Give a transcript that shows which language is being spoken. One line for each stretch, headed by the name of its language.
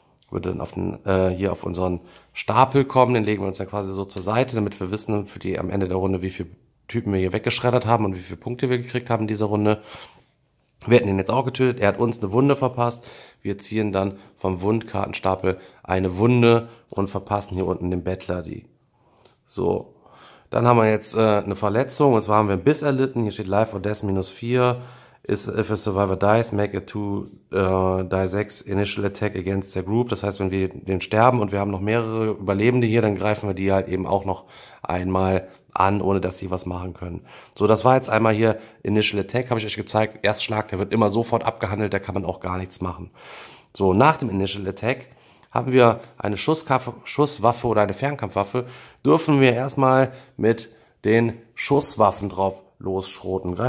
German: Würde dann auf hier auf unseren Stapel kommen, den legen wir uns dann quasi so zur Seite, damit wir wissen für die am Ende der Runde, wie viele Typen wir hier weggeschreddert haben und wie viele Punkte wir gekriegt haben in dieser Runde. Wir hätten ihn jetzt auch getötet, er hat uns eine Wunde verpasst. Wir ziehen dann vom Wundkartenstapel eine Wunde und verpassen hier unten den Bettler die. So, dann haben wir jetzt eine Verletzung, und zwar haben wir einen Biss erlitten, hier steht Life or Death minus 4.
English: Ist, if a survivor dies, make a 2-die-6 initial attack against the group.
German: Das heißt, wenn wir den sterben und wir haben noch mehrere Überlebende hier, dann greifen wir die halt eben auch noch einmal an, ohne dass sie was machen können. So, das war jetzt einmal hier initial attack, habe ich euch gezeigt. Erstschlag, der wird immer sofort abgehandelt, da kann man auch gar nichts machen. So, nach dem initial attack haben wir eine Schusswaffe oder eine Fernkampfwaffe, dürfen wir erstmal mit den Schusswaffen drauf losschroten.